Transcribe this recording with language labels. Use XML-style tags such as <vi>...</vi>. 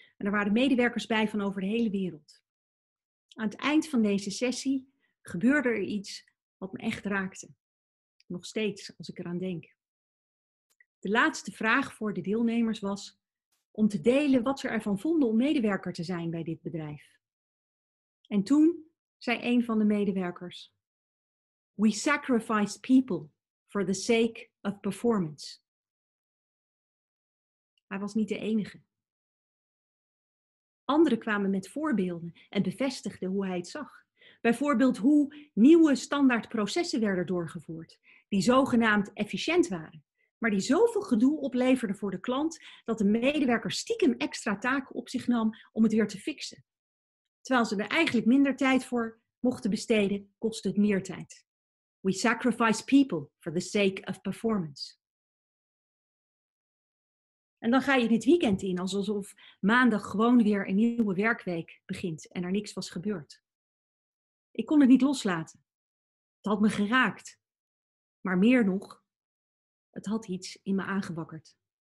<nl>En er waren medewerkers bij van over de hele wereld. Aan het eind van deze sessie gebeurde er iets wat me echt raakte. Nog steeds als ik eraan denk. De laatste vraag voor de deelnemers was om te delen wat ze ervan vonden om medewerker te zijn bij dit bedrijf. En toen zei een van de medewerkers.</nl> <en>We sacrifice people for the sake of performance.</en> <nl>Hij was niet de enige. Anderen kwamen met voorbeelden en bevestigden hoe hij het zag. Bijvoorbeeld hoe nieuwe standaardprocessen werden doorgevoerd, die zogenaamd efficiënt waren, maar die zoveel gedoe opleverden voor de klant dat de medewerker stiekem extra taken op zich nam om het weer te fixen. Terwijl ze er eigenlijk minder tijd voor mochten besteden, kostte het meer tijd.</nl> <en>We sacrifice people for the sake of performance.</en> <nl>En dan ga je dit weekend in alsof maandag gewoon weer een nieuwe werkweek begint en er niks was gebeurd. Ik kon het niet loslaten. Het had me geraakt. Maar meer nog, het had iets in me aangewakkerd.</nl>